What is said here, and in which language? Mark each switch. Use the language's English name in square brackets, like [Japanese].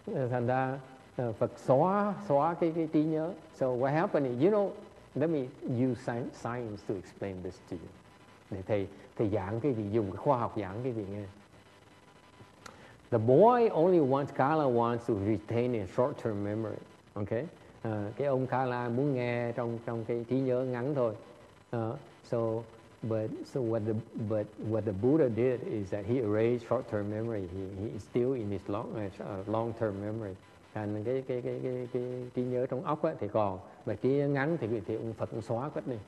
[Vietnamese] Thành ra Phật xóa cái trí nhớ. [English] So what happened is, you know, let me use science to explain this to you. [Vietnamese] Để thầy giảng cái gì, dùng cái khoa học giảng cái gì nghe. [English] The boy only wants, Kala wants to retain a short-term memory. Okay? [Vietnamese] Cái ông Kala muốn nghe trong cái trí nhớ ngắn thôi. [English] So what the Buddha did is that he erased short-term memory. He is still in his long-term memory. [Vietnamese] Thành cái trí nhớ trong óc ấy thì còn, mà trí nhớ ngắn thì ông Phật cũng xóa hết đi.